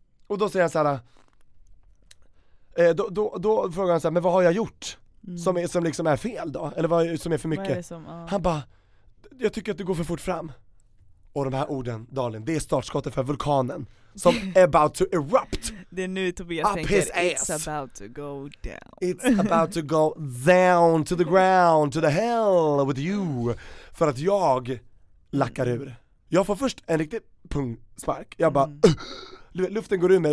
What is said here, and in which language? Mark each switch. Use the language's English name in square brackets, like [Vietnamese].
[Swedish] Och då säger jag så här, då frågar han så här, men vad har jag gjort som liksom är fel då? Eller vad som är för mycket? Är som, Han bara, jag tycker att du går för fort fram. Och de här orden, Darlin, det är startskottet för vulkanen som [English] about to erupt. [Swedish] Det är nu Tobias tänker, [English] it's about to go down. It's about to go down to the ground, to the hell with you. [Swedish] För att jag lackar ur. Jag får först en riktig pungspark. Jag bara, luften går ur mig.